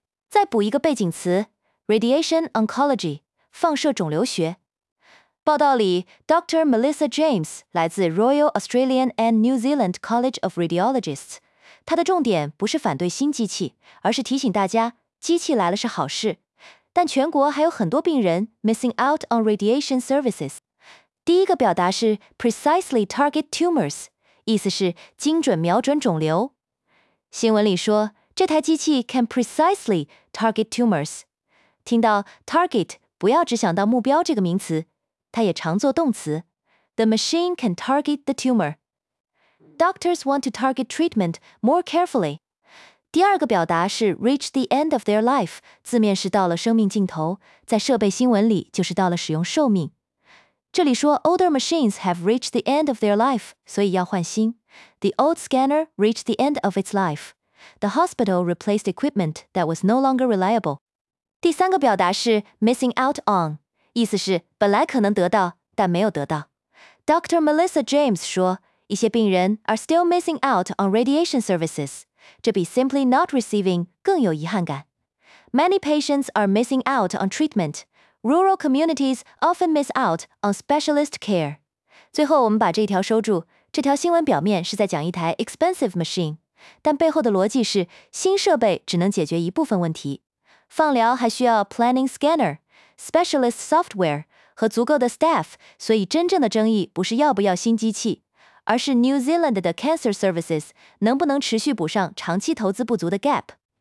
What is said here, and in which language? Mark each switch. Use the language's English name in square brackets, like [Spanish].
[Chinese] 再补一个背景词 ，radiation oncology， 放射肿瘤学。报道里 ，Dr. Melissa James 来自 Royal Australian and New Zealand College of Radiologists， 她的重点不是反对新机器，而是提醒大家，机器来了是好事。但全国还有很多病人 [English] missing out on radiation services。 [Chinese] 第一个表达是 precisely target tumors， 意思是精准瞄准肿瘤。新闻里说，这台机器 [English] can precisely target tumors。 [Chinese] 听到 target， 不要只想到目标这个名词，它也常做动词。 [English] The machine can target the tumor。 Doctors want to target treatment more carefully。 [Chinese] 第二个表达是 reach the end of their life， 字面是到了生命尽头，在设备新闻里就是到了使用寿命。这里说 [English] older machines have reached the end of their life， [Chinese] 所以要换新。 [English] The old scanner reached the end of its life. The hospital replaced equipment that was no longer reliable. [Chinese] 第三个表达是 missing out on， 意思是本来可能得到，但没有得到。Dr. Melissa James 说，一些病人 [English] are still missing out on radiation services。 [Chinese] 这比 [English] simply not receiving [Chinese] 更有遗憾感。 [English] Many patients are missing out on treatment. Rural communities often miss out on specialist care. [Chinese] 最后我们把这一条收住，这条新闻表面是在讲一台 expensive machine， 但背后的逻辑是新设备只能解决一部分问题。放疗还需要 planning scanner, specialist software 和足够的 staff， 所以真正的争议不是要不要新机器，而是 New Zealand 的 Cancer Services 能不能持续补上长期投资不足的 gap。